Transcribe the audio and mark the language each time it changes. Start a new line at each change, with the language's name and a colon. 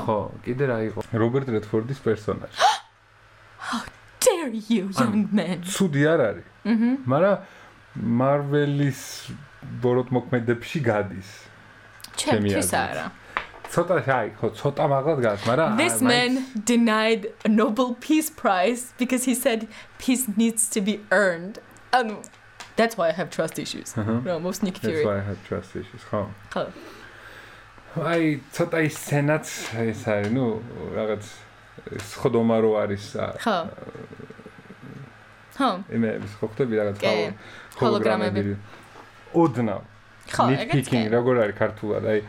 Georgian: ხო, კიდე რა იყო? რობერტ რედფორდის პერსონაჟი.
English: How dare you, young man?
Georgian: ცუდი არ არის. აჰა. მაგრამ მარველის ბოროტმოქმედებში გადის. ჩემი არა. ცოტა შეიძლება იყოს, ცოტა მაგად გას, მაგრამ
English: This man denied a Nobel Peace Prize because he said peace needs to be earned. And that's why I have trust issues. No, most Nick Fury. That's why I have trust issues.
Georgian: ხო. ხო. აი, ცოტა ის სენატს ეს არის, ნუ რაღაც ხდომა რო არის. ხო. ხო. იმე, ის ხო ხდები რაღაც ხო. ჰოლოგრამები. ოდნა. ხო, ეგეც კი. ნიქი, როგორ არის ქართულად? აი.